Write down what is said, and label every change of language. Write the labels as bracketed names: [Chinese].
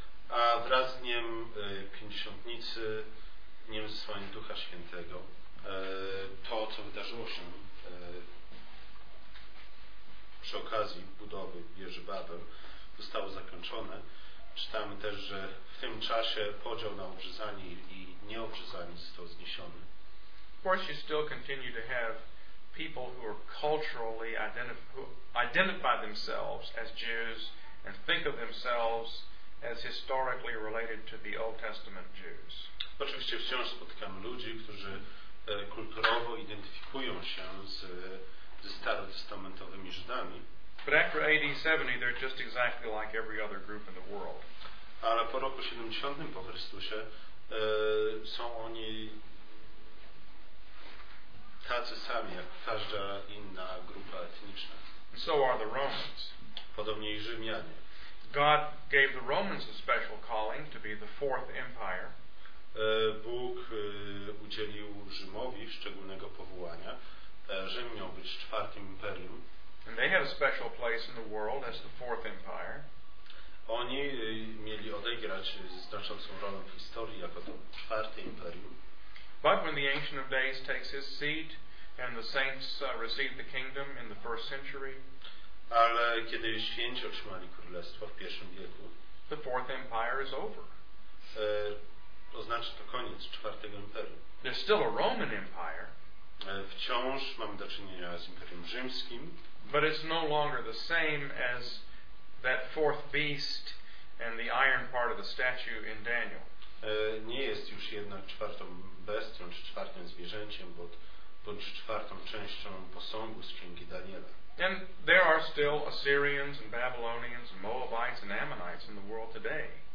[Polish] A wraz z dniem Pięćdziesiątnicy, dniem zesłania Ducha Świętego, to co wydarzyło się przy okazji budowy wieży Babel zostało zakończone, Czytamy też, że w tym czasie podział na obrzezani i nieobrzezani został zniesiony. [English] Of course you still continue to have people who are culturally identify themselves as Jews and think of themselves as historically related to the Old Testament Jews. [Polish] Oczywiście wciąż spotykamy ludzi, którzy kulturowo identyfikują się ze starotestamentowymi Żydami. [English] But after AD 70 they're just exactly like every other group in the world. [Polish] Ale po roku 70 po Chrystusie są oni tacy sami jak każda inna grupa etniczna. [English] So are the Romans. [Polish] Podobnie i Rzymianie. [English] God gave the Romans a special calling to be the fourth empire. [Polish] Bóg udzielił Rzymowi szczególnego powołania. Rzym miał być czwartym imperium. [English] And they had a special place in the world as the fourth empire. [Polish] Oni mieli odegrać znaczącą rolę w historii jako to czwarte imperium. [English] But when the Ancient of Days takes his seat and the saints receive the kingdom in the first century, [Polish] ale kiedy święci otrzymali królestwo w pierwszym wieku, [English] the fourth empire is over. [Polish] Oznacza to koniec czwartego imperium. [English] There's still a Roman empire. [Polish] Wciąż mamy do czynienia z Imperium Rzymskim. [English] But it's no longer the same as that fourth beast and the iron part of the statue in Daniel. [Polish] Nie jest już jednak czwartą bestią czy czwartym zwierzęciem, bądź czwartą częścią posągu z Księgi Daniela. [English] And there are still Assyrians and Babylonians and Moabites and Ammonites in the world today.